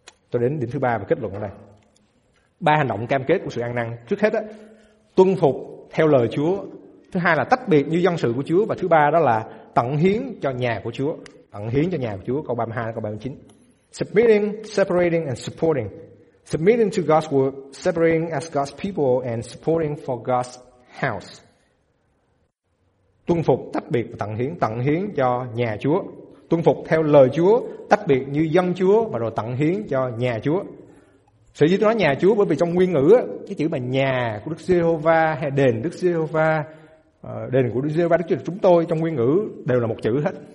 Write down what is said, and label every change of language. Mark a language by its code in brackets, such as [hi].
[vi] Tôi đến điểm thứ ba và kết luận ở đây. Ba hành động cam kết của sự ăn năn: trước hết á, tuân phục theo lời Chúa, Thứ hai là tách biệt như dân sự của Chúa. Và thứ ba đó là tận hiến cho nhà của Chúa. Tận hiến cho nhà của Chúa, câu 32, câu 39. [en] Submitting, separating and supporting. Submitting to God's work, separating as God's people and supporting for God's house. [vi] Tuân phục, tách biệt và tận hiến cho nhà Chúa. Tuân phục theo lời Chúa, tách biệt như dân Chúa và rồi tận hiến cho nhà Chúa. Sở dĩ tôi nói nhà Chúa bởi vì trong nguyên ngữ, cái chữ mà nhà của Đức Giê-hô-va hay đền Đức Giê-hô-va, đền của Đức Giê-hô-va, Đức Chúa Trời chúng tôi trong nguyên ngữ đều là một chữ hết.